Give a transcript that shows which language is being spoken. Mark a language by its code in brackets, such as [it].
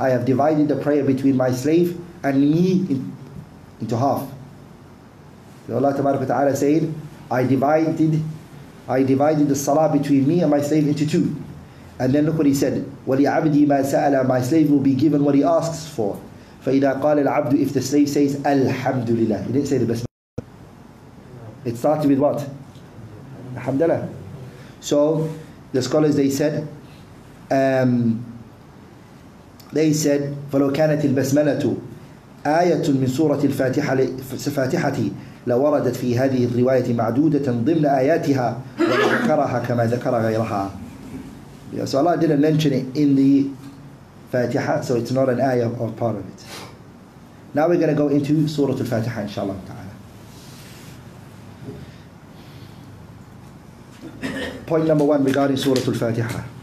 [en] I have divided the prayer between my slave and me into half. So Allah tabarak wa ta'ala said, I divided the salah between me and my slave into two. And then look what he said, [ar] وَلِعَبْدِي مَا سَأَلَ, [en] my slave will be given what he asks for. [ar] فَإِذَا قَالَ الْعَبْدُ, [en] if the slave says, [ar] أَلْحَمْدُ لِلَّهِ. [en] He didn't say the best. It started with what? Alhamdulillah. So, the scholars, they said, they said, [ar] فَلَوْ كَانَتِ الْبَسْمَلَةُ آيَةٌ مِنْ سُورَةِ الْفَاتِحَةِ لَوَرَدَتْ فِي هَذِهِ الرِّوَايَةِ مَعْدُودَةً ضِمْنَ آيَاتِهَا وَذَكَرَهَا كَمَا ذَكَرَ غَيْرَهَا. [en] So Allah didn't mention it in the Fatiha, so it's not an ayah or part of it. Now we're going to go into Surah Al-Fatiha, inshallah ta'ala. Point number one regarding Surah Al-Fatiha.